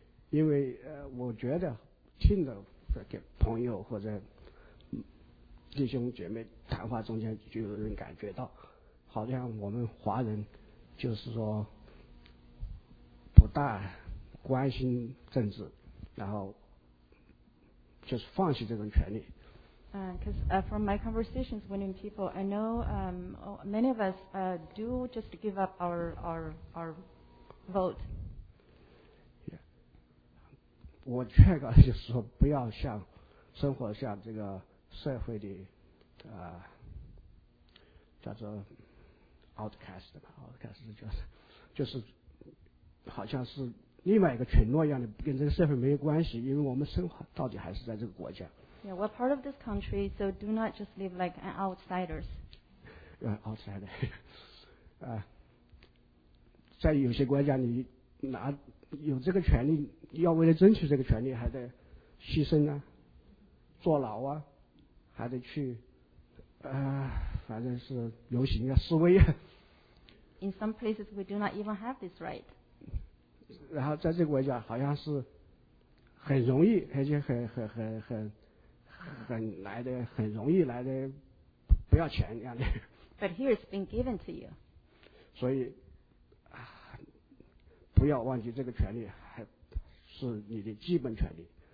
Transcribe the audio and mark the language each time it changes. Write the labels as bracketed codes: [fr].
[zh] 因为我觉得听着给朋友或者弟兄姐妹谈话中间，就有人感觉到，好像我们华人就是说不大关心政治，然后就是放弃这种权利。 [en] Because from my conversations with people, I know many of us do just give up our vote. Yeah. [zh] 我劝告就是说，不要像生活像这个社会的叫做 outcast 吧 ，outcast 就是好像是另外一个群落一样的，跟这个社会没有关系，因为我们生活到底还是在这个国家。 [en] Yeah, we're part of this country, so do not just live like an outsiders. Outsider. [zh] 在有些国家，你拿有这个权利，要为了争取这个权利，还得牺牲啊，坐牢啊，还得去反正是游行啊，示威啊。 [en] In some places, we do not even have this right. [zh] 然后在这个国家，好像是很容易，而且很来的很容易来的，不要钱一样的。 [en] But here it's been given to you. [zh] 所以不要忘记这个权利还是你的基本权利。